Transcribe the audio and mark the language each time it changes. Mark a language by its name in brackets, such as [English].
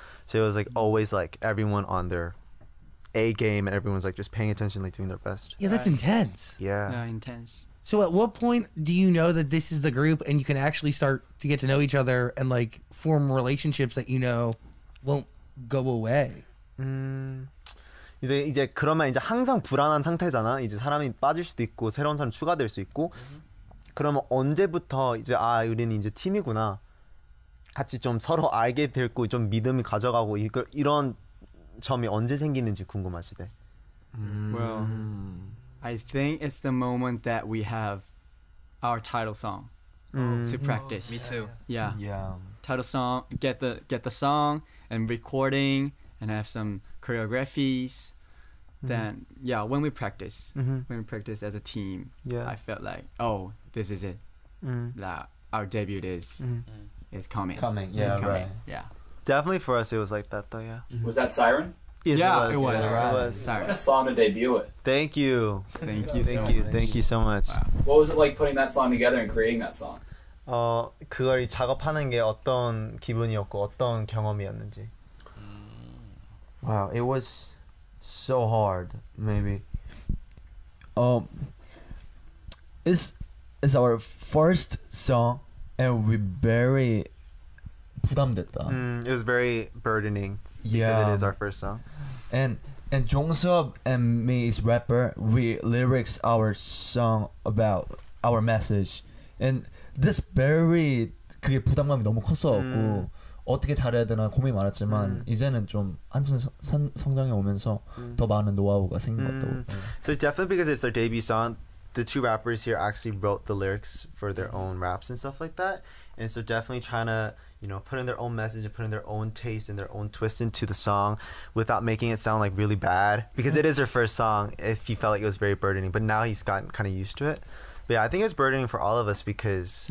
[English] So it was like always like everyone on their A game, and everyone's like just paying attention, like doing their best. Yeah, that's intense. Yeah. Yeah, intense. So at what point do you know that this is the group and you can actually start to get to know each other and like form relationships that you know won't go away? [Korean] 이제 그러면 이제 항상 불안한 상태잖아. 이제 사람이 빠질 수도 있고 새로운 사람 추가될 수 있고. 그러면 언제부터 이제 아 우리는 이제 팀이구나. 같이 좀 서로 알게 되고 좀 믿음이 가져가고 이런 점이 언제 생기는지 궁금하시대. [English] Well, I think it's the moment that we have our title song to practice. Me too. Yeah. Yeah. Title song, get the song and recording and have some choreographies, then when we practice, when we practice as a team, I felt like, oh, this is it, our debut is is coming. Right. Yeah, definitely for us it was like that though. Was that Siren? Yes, yeah, it was. Yeah, right. It was. Sorry. What a song to debut with. Thank you. Thank you. Thank so you. Much. Thank you so much. Wow. What was it like putting that song together and creating that song? [Korean] 그걸 작업하는 게 어떤 기분이었고 어떤 경험이었는지. [English] Wow, it was so hard. Maybe. It's our first song, and we very [Korean] 부담됐다. [English] It was very burdening. Yeah, because it is our first song. And Jongseob and me is rapper. We lyrics our song about our message. And this very [Korean] 그게 부담감이 너무 컸었고 어떻게 잘해야 되나 고민 많았지만 이제는 좀 한층 성장해 오면서 더 많은 노하우가 생긴 것 같고. [English] So definitely because it's our debut song, the two rappers here actually wrote the lyrics for their own raps and stuff like that. And so definitely trying to, you know, put in their own message and put in their own taste and their own twist into the song without making it sound like really bad, because it is their first song. If he felt like it was very burdening, but now he's gotten kind of used to it. But yeah, I think it's burdening for all of us, because